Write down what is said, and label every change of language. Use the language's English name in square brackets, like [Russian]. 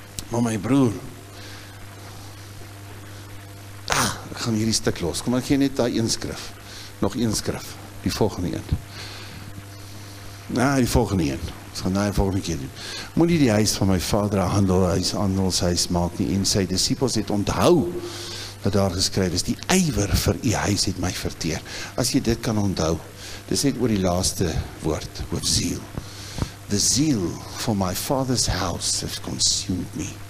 [Afrikaans] Maar my broer, ek gaan hierdie stuk los, kom ek gee net die een skrif, nog een skrif, die volgende een. Die volgende een. Ons gaan die volgende keer doen. Moet nie die huis van my vader een handelshuis maak nie. En sy disciples het onthou dat daar geskryf is. Die ywer vir die huis het my verteer. As jy dit kan onthou. Dit is net oor die laaste woord. Oor ziel. [English] The zeal for my father's house has consumed me.